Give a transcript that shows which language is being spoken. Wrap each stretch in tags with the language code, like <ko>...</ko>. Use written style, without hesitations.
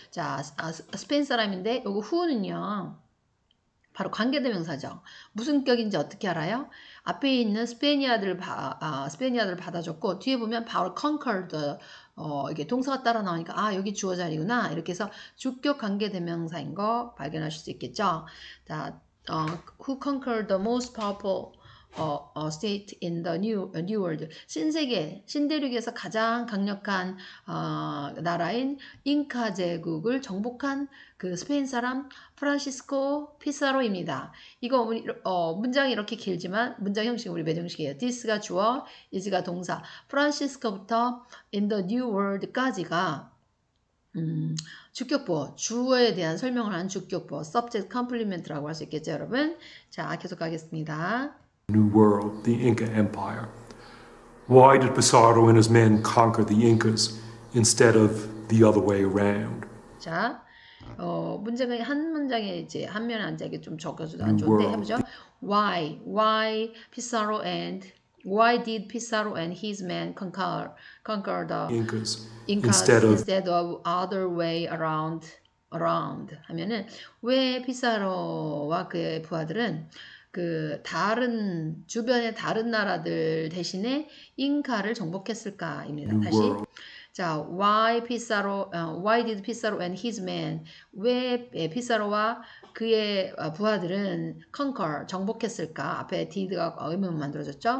<ko>자, 스페인 사람인데 이거 who는요. 바로 관계대명사죠. 무슨 격인지 어떻게 알아요? 앞에 있는 스페니아들을 받아줬고 뒤에 보면 바로 conquered 이게 동사가 따라 나오니까 아 여기 주어 자리구나 이렇게 해서 주격 관계대명사인 거 발견하실 수 있겠죠.</ko> <en>자, who conquered the most powerful state in the new world?</en> <ko>신세계 신대륙에서 가장 강력한 나라인 잉카 제국을 정복한 그 스페인 사람 프란시스코 피사로입니다. 이거 문장이 이렇게 길지만 문장 형식 우리 매정식이에요. This가 주어, is가 동사. 프란시스코부터 in the new world까지가 주격부어, 주어에 대한 설명을 하는 주격부어, subject complement라고 할 수 있겠죠, 여러분? 자, 계속 가겠습니다.</ko> <en>New World, the Inca Empire. Why did Pizarro and his men conquer the Incas instead of the other way around?</en> <ko>자, 문제는 한 문장에 이제 한 면 한 장에 좀 적어주도 안 좋은데 world, 해보죠.</ko> <en>Why did Pizarro and his men conquer the Incas instead of other way around?</en> <ko>하면은 왜 피사로와 그의 부하들은 그 다른 주변의 다른 나라들 대신에 잉카를 정복했을까입니다. 다시 자</ko> <en>why did Pizarro and his men</en> <ko>왜 피사로와 그의 부하들은 conquer 정복했을까 앞에 did가 의문 만들어졌죠.</ko>